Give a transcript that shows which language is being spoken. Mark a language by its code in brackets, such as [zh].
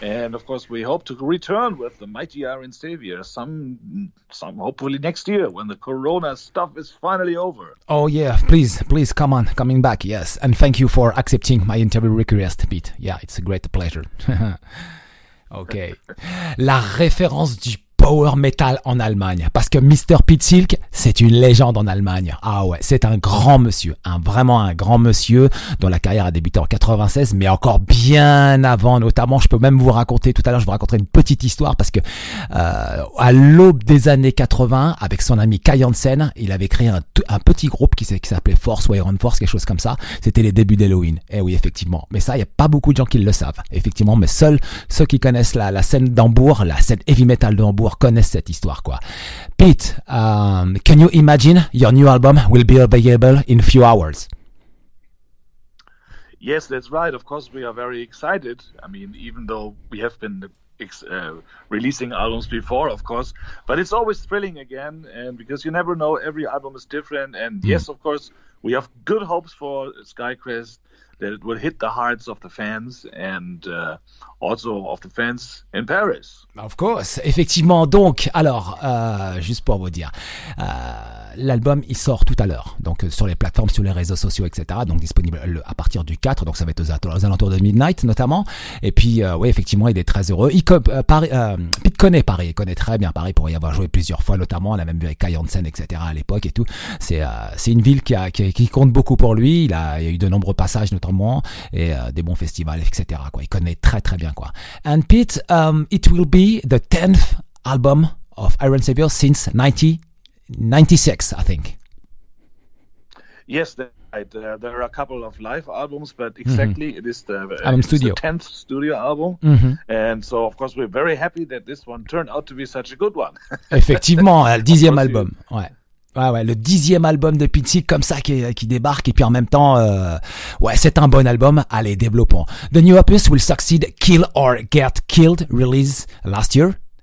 [en] And, of course, we hope to return with the mighty Iron Savior some hopefully next year when the corona stuff is finally over. Oh, yeah. Please, come on. Coming back, yes. And thank you for accepting my interview request, Pete. Yeah, it's a great pleasure. Okay. [fr] La référence du power metal en Allemagne, parce que Mr. Pete Silk, c'est une légende en Allemagne. Ah ouais, c'est un grand monsieur, vraiment un grand monsieur, dont la carrière a débuté en 96, mais encore bien avant, notamment, je peux même vous raconter, tout à l'heure, je vous raconterai une petite histoire, parce que à l'aube des années 80, avec son ami Kai Hansen, il avait créé un petit groupe qui s'appelait Force ou Iron Force, quelque chose comme ça. C'était les débuts d'Halloween. Eh oui, effectivement. Mais ça, il n'y a pas beaucoup de gens qui le savent. Effectivement, mais seuls ceux qui connaissent la scène d'Hambourg, la scène heavy metal de Hambourg, connaissent cette histoire, quoi. [en] Pete, can you imagine your new album will be available in a few hours? Yes, that's right. Of course, we are very excited. I mean, even though we have been releasing albums before, of course, but it's always thrilling again, and because you never know, every album is different. And yes, of course, we have good hopes for Skycrest, that it will hit the hearts of the fans and also of the fans in Paris. Of course, effectivement. [fr] Donc, alors, juste pour vous dire, l'album, il sort tout à l'heure, donc sur les plateformes, sur les réseaux sociaux, etc. Donc, disponible à partir du 4, donc ça va être aux alentours de midnight, notamment. Et puis, oui, effectivement, il est très heureux. Pete connaît Paris, il connaît très bien Paris, pour y avoir joué plusieurs fois, notamment, on a même vu avec Kai Hansen, etc. à l'époque et tout. C'est une ville qui compte beaucoup pour lui. Il a eu de nombreux passages, notamment, et des bons festivals, etc. quoi. Il connaît très, très bien, quoi. [en] And Pete, it will be the 10th album of Iron Savior since 1996, I think. Yes, there are a couple of live albums, but exactly it is the 10th studio album. Mm-hmm. And so, of course, we're very happy that this one turned out to be such a good one. [fr] Effectivement, le 10th album. Ouais, le 10th album de Pete Silk, comme ça, qui débarque. Et puis en même temps, ouais, c'est un bon album. Allez, développons. [en] The new opus will succeed Kill or Get Killed release last year.